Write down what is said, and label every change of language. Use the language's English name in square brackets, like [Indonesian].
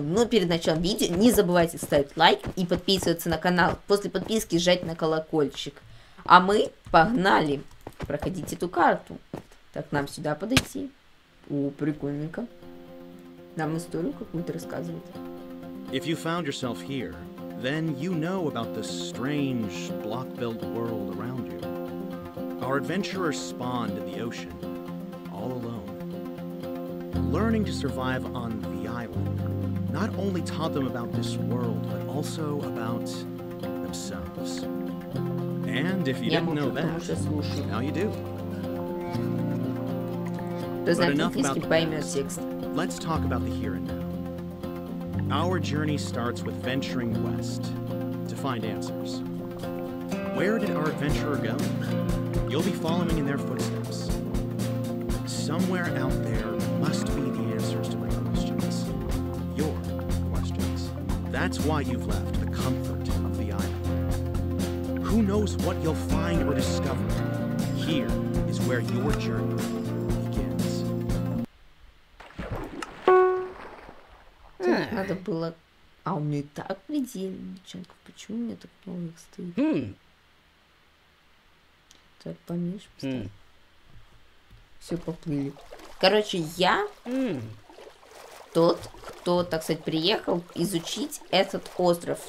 [Russian] Но перед началом видео не забывайте ставить лайк и подписываться на канал. После подписки жать на колокольчик. А мы погнали проходить эту карту. Так, нам сюда подойти. О, прикольненько. Нам историю какую-то рассказывают. [English] If you found yourself here, then you know about the strange block-built world around you. Our adventurers spawned in the ocean, all alone. Learning to survive on the island not only taught them about this world, but also about themselves. And if you didn't know that, now you do. But enough about the past. Let's talk about the here and now. Our journey starts with venturing west to find answers. Where did our adventurer go? You'll be following in their footsteps. Somewhere out there must be the answers to my questions. Your questions. That's why you've left the comfort of the island. Who knows what you'll find or discover? Here is where your journey begins. [Russian] Надо было... А у меня и так предельный ученков. Почему у меня так много их стоит? Так, поменьше поставь. Все поплыли. Короче, я тот, кто, так сказать, приехал изучить этот остров.